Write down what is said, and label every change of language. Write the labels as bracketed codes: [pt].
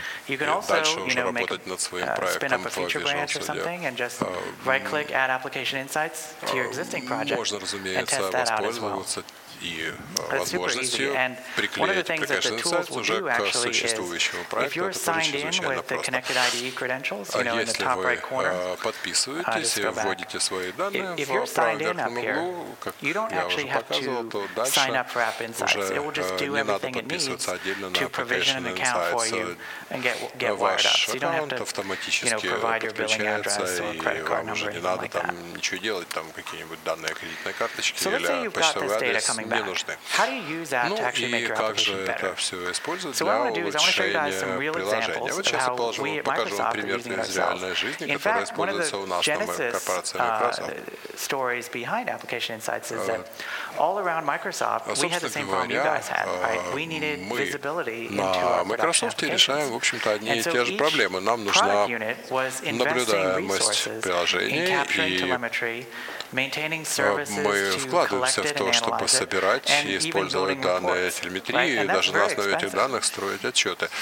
[en] You can also, you know, make a, spin up a feature branch or something and just right-click add Application Insights to your existing project and test that out as well. [ru] И возможностью приклеить Application Insights уже к существующему проекту. [en] If you're signed in with the connected IDE credentials, you know, in the top right corner, [ru] подписываетесь, вводите свои данные в правом верхнем углу, как я уже показывал, то дальше не надо подписываться отдельно на Application Insights. Ваш аккаунт автоматически подключается, и вам уже не надо там ничего делать, там какие-нибудь данные о кредитной карточке или почтовый адрес. [en] How do you use that to actually make your application better? So what I want to do is I want to show you guys some real examples of how we at Microsoft are using it ourselves. In fact, one of the genesis stories behind Application Insights is that all around Microsoft, we had the same problem you guys had, right? We needed visibility into our production applications. [ru] Решаем, в общем-то, одни и те же проблемы. Нам нужна наблюдаемость приложения и мы вкладываемся в то, чтобы собирать и использовать данные телеметрии, и даже на основе этих данных строить отчеты.